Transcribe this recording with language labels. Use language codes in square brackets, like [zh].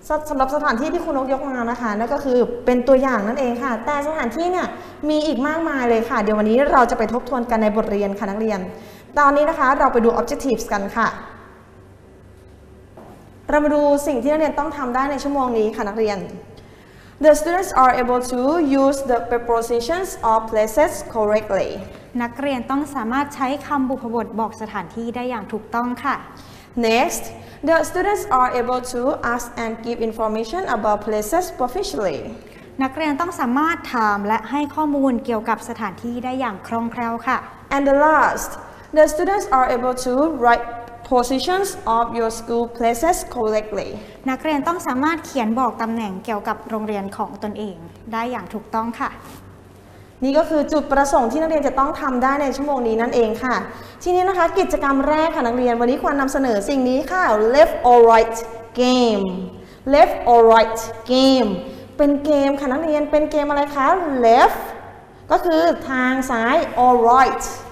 [th] สำหรับสถานที่ที่คุณนกยกมานะคะนั่นก็คือเป็นตัวอย่างนั่นเองค่ะแต่สถานที่เนี่ยมีอีกมากมายเลยค่ะเดี๋ยววันนี้เราจะไปทบทวนกันในบทเรียนค่ะนักเรียนตอนนี้นะคะเราไปดู objectives กันค่ะเรามาดูสิ่งที่นักเรียนต้องทำได้ในชั่วโมงนี้ค่ะนักเรียน [en] The students are able to use the prepositions of places correctly [th] นักเรียนต้องสามารถใช้คำบุพบทบอกสถานที่ได้อย่างถูกต้องค่ะ [en] Next The students are able to ask and give information about places proficiently [th] นักเรียนต้องสามารถถามและให้ข้อมูลเกี่ยวกับสถานที่ได้อย่างคล่องแคล่วค่ะ [en] And the last The students are able to writepositions of your school places correctly [th] นักเรียนต้องสามารถเขียนบอกตำแหน่งเกี่ยวกับโรงเรียนของตนเองได้อย่างถูกต้องค่ะ นี่ก็คือจุดประสงค์ที่นักเรียนจะต้องทำได้ในชั่วโมงนี้นั่นเองค่ะทีนี้นะคะกิจกรรมแรกค่ะนักเรียนวันนี้ควรนำเสนอสิ่งนี้ค่ะ [en] left or right game [th] left or right game เป็นเกมค่ะนักเรียนเป็นเกมอะไรคะ left ก็คือทางซ้าย or right